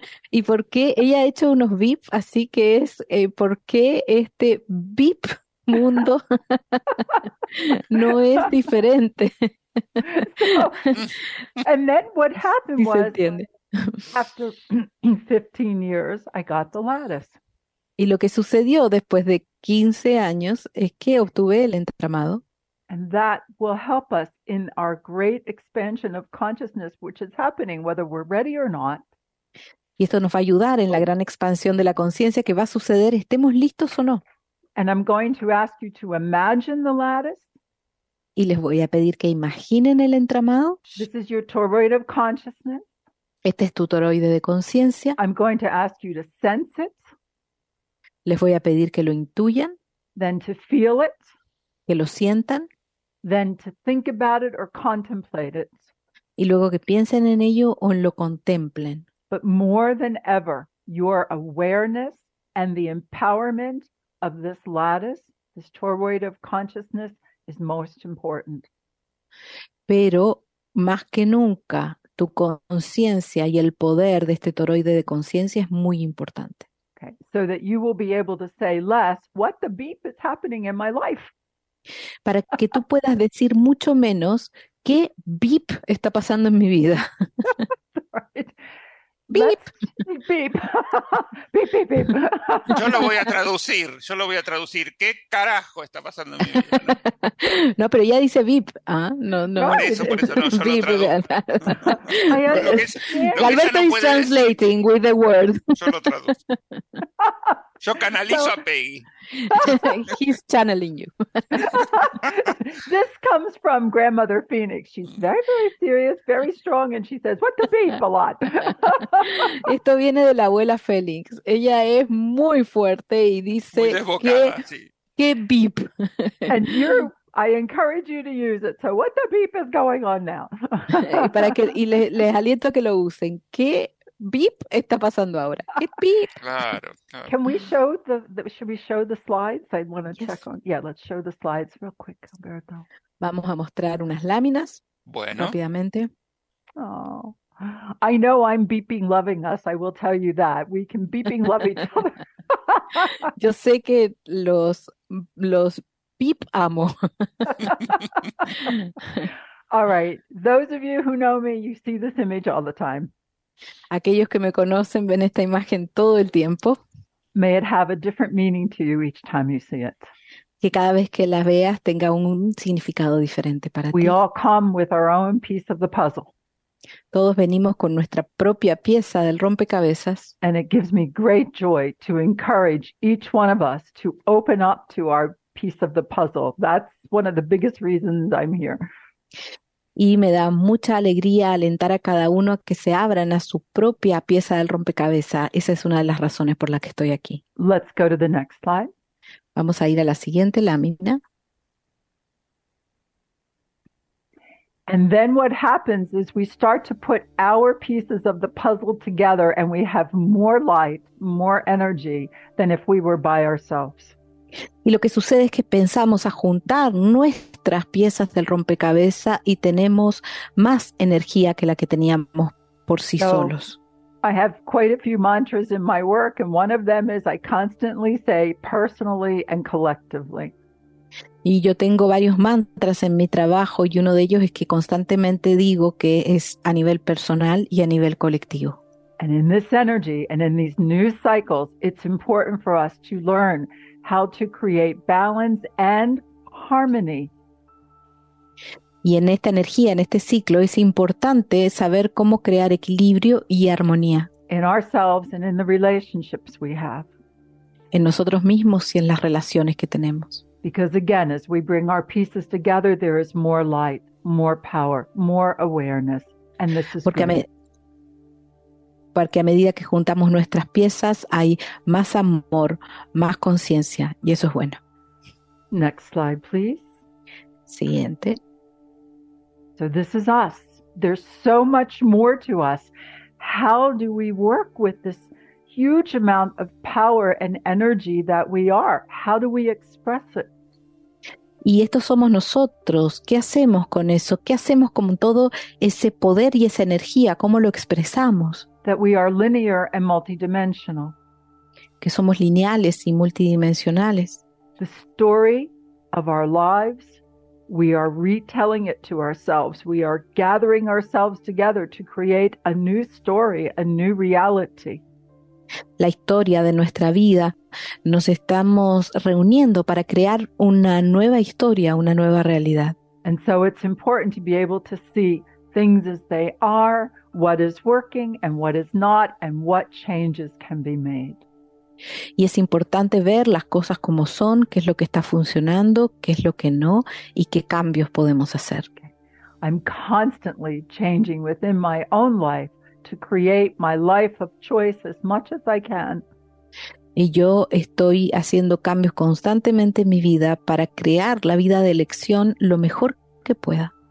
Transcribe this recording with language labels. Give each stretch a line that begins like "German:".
Spanish: ¿Y por qué ella ha hecho unos beep, así que es por qué este beep mundo no es diferente?
English: And then what happened
Spanish: ¿Y se
English: was
Spanish: entiende?
English: After 15 years, I got the lattice.
Spanish: Y lo que sucedió después de 15 años es que obtuve el entramado.
English: And that will help us in our great expansion of consciousness, which is happening whether we're ready or not.
Spanish: Y esto nos va a ayudar en la gran expansión de la conciencia que va a suceder, estemos listos o no.
English: And I'm going to ask you to imagine the lattice.
Spanish: Y les voy a pedir que imaginen el entramado.
English: This is your toroid of consciousness.
Spanish: Este es tu toroide de conciencia.
English: I'm going to ask you to sense it.
Spanish: Les voy a pedir que lo intuyan.
English: Then to feel it.
Spanish: Que lo sientan.
English: Then to think about it or contemplate it.
Spanish: Y luego que piensen en ello o lo contemplen.
English: But more than ever, your awareness and the empowerment of this lattice, this toroid of consciousness, is most important.
Spanish: Pero más que nunca, tu conciencia y el poder de este toroide de conciencia es muy importante.
English: Okay. So that you will be able to say less, what the beep is happening in my life.
Spanish: Para que tú puedas decir mucho menos qué beep está pasando en mi vida. Beep. Beep. Beep, beep, beep. Yo lo voy a traducir, yo lo voy a traducir. ¿Qué carajo está pasando en mi vida? No, pero ya dice beep. Ah, no, no. Por eso, no, yo beep, lo traduzco.
English: Alberto is translating with the word.
Spanish: Yo lo traduzco. Yo canalizo a Peggy.
English: He's channeling you. This comes from Grandmother Phoenix. She's very, very serious, very strong, and she says, what the beep a lot.
Spanish: Esto viene de la abuela Félix. Ella es muy fuerte y dice qué beep.
English: And I encourage you to use it. So what the beep is going on now?
Spanish: Y les aliento a que lo usen. ¿Qué beep está pasando ahora? ¿Qué beep? Claro.
English: Can we show should we show the slides? I want to check on. Yeah, let's show the slides real quick, Alberto.
Spanish: Vamos a mostrar unas láminas. Bueno. Rápidamente. Oh.
English: I know I'm beeping loving us, I will tell you that. We can beeping love each other.
Spanish: Yo sé que los Los pip amo.
English: All right. Those of you who know me, you see this image all the time.
Spanish: Aquellos que me conocen ven esta imagen todo el tiempo.
English: May it have a different meaning to you each time you see it.
Spanish: Que cada vez que la veas tenga un significado diferente para
English: we
Spanish: ti.
English: We all come with our own piece of the puzzle.
Spanish: Todos venimos con nuestra propia pieza del rompecabezas.
English: And it gives me great joy to encourage each one of us to open up to our piece of the puzzle. That's one of the biggest reasons I'm here.
Spanish: Y me da mucha alegría alentar a cada uno a que se abran a su propia pieza del rompecabezas. Esa es una de las razones por la que estoy aquí.
English: Let's go to the next slide.
Spanish: Vamos a ir a la siguiente lámina.
English: And then what happens is we start to put our pieces of the puzzle together and we have more light, more energy than if we were by ourselves.
Spanish: Y lo que sucede es que pensamos a juntar nuestras piezas del rompecabezas y tenemos más energía que la que teníamos por sí solos.
English: I have quite a few mantras in my work, and one of them is I constantly say personally and collectively.
Spanish: Y yo tengo varios mantras en mi trabajo, y uno de ellos es que constantemente digo que es a nivel personal y a nivel colectivo.
English: And in this energy and in these new cycles, it's important for us to learn how to create balance and harmony.
Spanish: Y en esta energía, en este ciclo, es importante saber cómo crear equilibrio y armonía.
English: In ourselves and in the relationships we have.
Spanish: En nosotros mismos y en las relaciones que tenemos.
English: Because again, as we bring our pieces together, there is more light, more power, more awareness. And this is
Spanish: porque a medida que juntamos nuestras piezas, hay más amor, más conciencia, y eso es bueno.
English: Next slide, please.
Spanish: Siguiente.
English: So this is us. There's so much more to us. How do we work with this huge amount of power and energy that we are? How do we express it?
Spanish: Y estos somos nosotros. ¿Qué hacemos con eso? ¿Qué hacemos con todo ese poder y esa energía? ¿Cómo lo expresamos?
English: That we are linear and multidimensional.
Spanish: Que somos lineales y multidimensionales.
English: The story of our lives. We are retelling it to ourselves. We are gathering ourselves together to create a new story, a new reality.
Spanish: La historia de nuestra vida, nos estamos reuniendo para crear una nueva historia, una nueva realidad.
English: And so it's important to be able to see things as they are, what is working and what is not, and what changes can be made.
Spanish: Y es importante ver las cosas como son, qué es lo que está funcionando, qué es lo que no, y qué cambios podemos hacer.
English: I'm constantly changing within my own life to create my life of choice as much as I can.
Spanish: Y yo estoy haciendo cambios constantemente en mi vida para crear la vida de elección lo mejor que pueda.